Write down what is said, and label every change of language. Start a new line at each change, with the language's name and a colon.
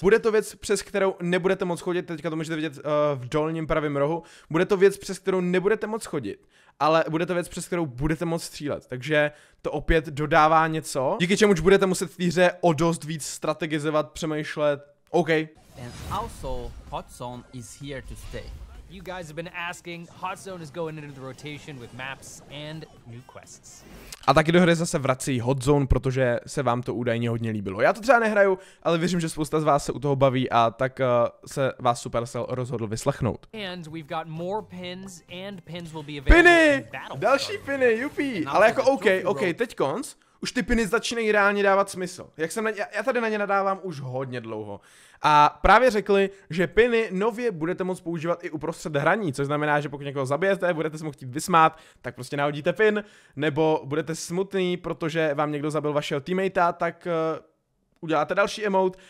Czech: Bude to věc, přes kterou nebudete moc chodit, teďka to můžete vidět v dolním pravém rohu. Bude to věc, přes kterou nebudete moc chodit, ale bude to věc, přes kterou budete moc střílet. Takže to opět dodává něco, díky čemuž budete muset v té hře o dost víc strategizovat, přemýšlet. OK.
English: And also, Hot Zone is here to stay. You guys have been asking, Hot Zone is going into the rotation with maps and new quests.
Czech: A taky do hry zase vrací Hot Zone, protože se vám to údajně hodně líbilo. Já to třeba nehraju, ale věřím, že spousta z vás se u toho baví a tak se vás Supercell rozhodl vyslechnout.
English: And we've got more pins and pins will be available in Battlefield.
Czech: Další piny, jupi. Ale jako OK, teď konc. Už ty piny začínají reálně dávat smysl. Jak jsem já tady na ně nadávám už hodně dlouho. A právě řekli, že piny nově budete moct používat i uprostřed hraní, což znamená, že pokud někoho zabijete, budete se mu chtít vysmát, tak prostě nahodíte pin, nebo budete smutný, protože vám někdo zabil vašeho teammatea, tak uděláte další emote.